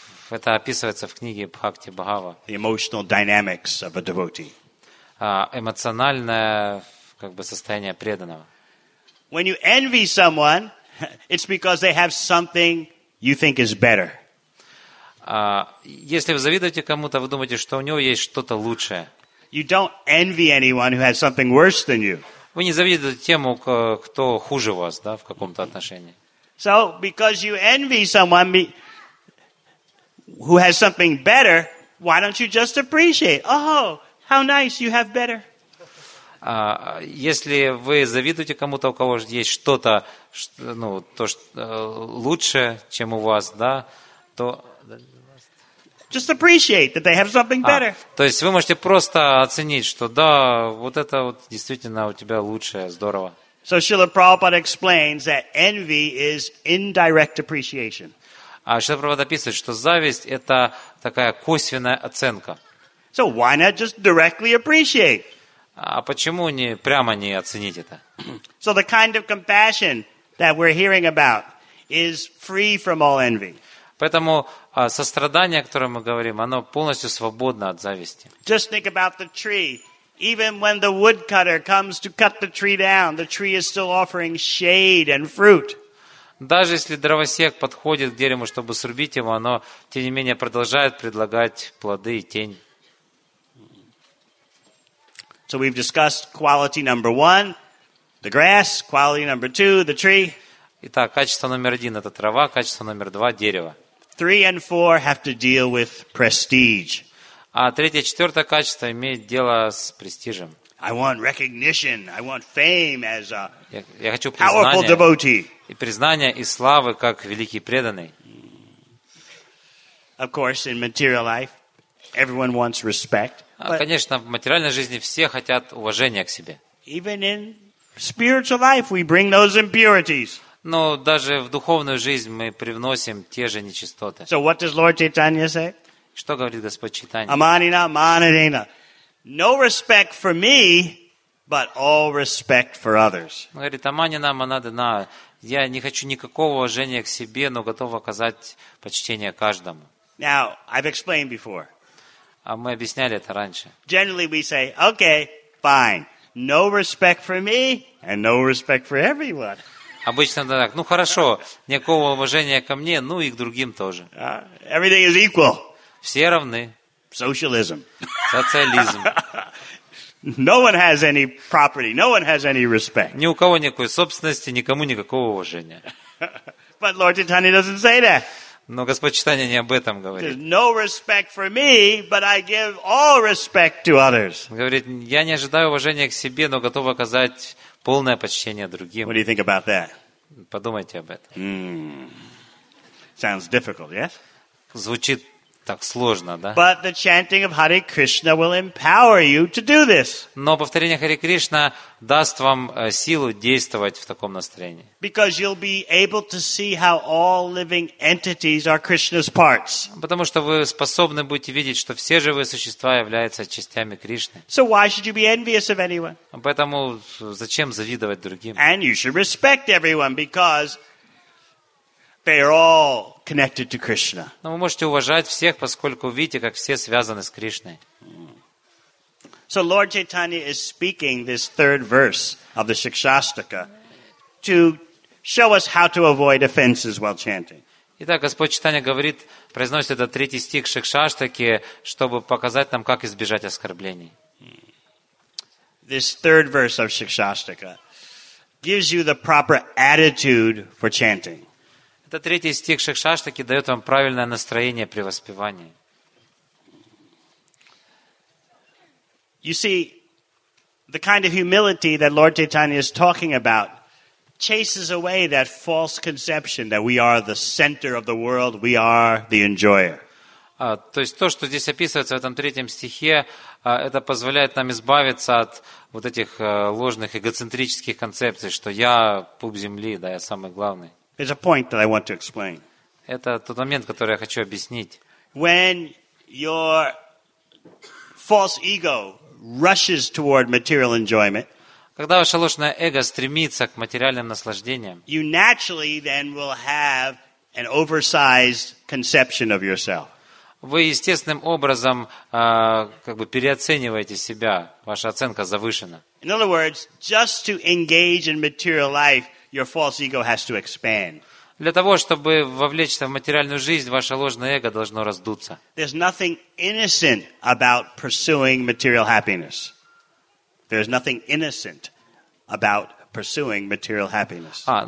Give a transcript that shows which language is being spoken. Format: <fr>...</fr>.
<ru>Это описывается в книге Бхакти Бхава.</ru> <en>The emotional dynamics of a devotee.</en> <ru>Эмоциональное состояние преданного.</ru> <en>When you envy someone, it's because they have something you think is better.</en> <ru>Если вы завидуете кому-то, вы думаете, что у него есть что-то лучшее.</ru> <en>You don't envy anyone who has something worse than you.</en> <ru>Вы не завидуете тем, кто хуже вас, да, в каком-то отношении.</ru> <en>So because you envy someone who has something better, why don't you just appreciate? Oh, how nice, you have better.</en> <ru>Если вы завидуете кому-то, у кого есть что-то, ну, то, что лучше, чем у вас, да, то...</ru> <en>Just appreciate that they have something better.</en> <ru>То есть вы можете просто оценить, что да, вот это вот действительно у тебя лучшее, здорово.</ru> <en>So Srila Prabhupada explains that envy is indirect appreciation.</en> <ru>А Шрила Прабхупада описывает, что зависть это такая косвенная оценка.</ru> <en>So why not just directly appreciate?</en> <ru>А почему не прямо не оценить это?</ru> <en>So the kind of compassion that we're hearing about is free from all envy.</en> <ru>Поэтому сострадание, о котором мы говорим, оно полностью свободно от зависти.</ru> <en>Just think about the tree. Even when the woodcutter comes to cut the tree down, the tree is still offering shade and fruit.</en> <ru>Даже если дровосек подходит к дереву, чтобы срубить его, оно, тем не менее, продолжает предлагать плоды и тень.</ru> <en>So we've discussed quality number one, the grass, quality number two, the tree.</en> <ru>Итак, качество номер один – это трава, качество номер два – дерево.</ru> <en>Three and four have to deal with prestige.</en> <ru>А третье, четвертое качество имеет дело с престижем.</ru> <en>I want recognition, I want fame as a</en> <ru>я хочу</ru> <en>powerful devotee.</en> <ru>И признание, и славы, как великий преданный.</ru> <en>Of course, in material life, everyone wants respect.</en> <ru>Конечно, в материальной жизни все хотят уважения к себе.</ru> <en>Even in spiritual life, we bring those impurities.</en> <ru>Но даже в духовную жизнь мы привносим те же нечистоты.</ru> <en>So what does Lord Chaitanya say?</en> <ru>Что говорит Господь Чайтанья?</ru> <sa>Аманина, манадина.</sa> <en>No respect for me, but all respect for others.</en> <ru>Говорит,</ru> <sa>аманина, манадина.</sa> <ru>Я не хочу никакого уважения к себе, но готов оказать почтение каждому.</ru> <en>Now, I've explained before.</en> <ru>А мы объясняли это раньше.</ru> <en>Generally we say, okay, fine. No respect for me and no respect for everyone.</en> <ru>Обычно так. Ну хорошо, никакого уважения ко мне, ну и к другим тоже.</ru> <en>Everything is equal.</en> <ru>Все равны.</ru> <en>Socialism.</en> <ru>Социализм.</ru> <en>No one has any property. No one has any respect.</en> <ru>Ни у кого никакой собственности, никому никакого уважения.</ru> <en>But Lord Chaitanya doesn't say that.</en> <ru>Но Господь Чайтанья не об этом говорит.</ru> <en>There's no respect for me, but I give all respect to others.</en> <ru>Говорит, я не ожидаю уважения к себе, но готов оказать полное почтение другим.</ru> <en>What do you think about that?</en> <ru>Подумайте об этом.</ru> <en>Sounds difficult, yes?</en> <ru>Звучит так сложно, да?</ru> <en>But the chanting of Hare Krishna will empower you to do this.</en> <ru>Но повторение Харе Кришна даст вам силу действовать в таком настроении.</ru> <en>Because you'll be able to see how all living entities are Krishna's parts.</en> <ru>Потому что вы способны будете видеть, что все живые существа являются частями Кришны.</ru> <en>So why should you be envious of anyone?</en> <ru>Поэтому зачем завидовать другим?</ru> <en>And you should respect everyone because they are all connected to Krishna.</en> <ru>Но вы можете уважать всех, поскольку видите, как все связаны с Кришной.</ru> <en>So Lord Chaitanya is speaking this third verse of the Shikshastaka to show us how to avoid offenses while chanting.</en> <ru>Итак, Господь Чайтанья говорит, произносит этот третий стих Шикшаштаки, чтобы показать нам, как избежать оскорблений.</ru> <en>This third verse of Shikshastaka gives you the proper attitude for chanting.</en> <ru>Это третий стих Шикшаштаки дает вам правильное настроение при воспевании.</ru> <en>You see, the kind of humility that Lord Chaitanya is talking about chases away that false conception that we are the center of the world, we are the enjoyer.</en> <ru>То есть то, что здесь описывается в этом третьем стихе, это позволяет нам избавиться от вот этих ложных эгоцентрических концепций, что я пуп земли, да, я самый главный.</ru> <en>There's a point that I want to explain.</en> <ru>Это тот момент, который я хочу объяснить.</ru> <en>When your false ego rushes toward material enjoyment,</en> <ru>когда ваше ложное эго стремится к материальным наслаждениям,</ru> <en>you naturally then will have an oversized conception of yourself.</en> <ru>Вы естественным образом как бы переоцениваете себя. Ваша оценка завышена.</ru> <en>In other words, just to engage in material life, your false ego has to expand.</en> <ru>Для того, чтобы вовлечься в материальную жизнь, ваше ложное эго должно раздуться.</ru> <en>There's nothing innocent about pursuing material happiness. There's nothing innocent about pursuing material happiness.</en>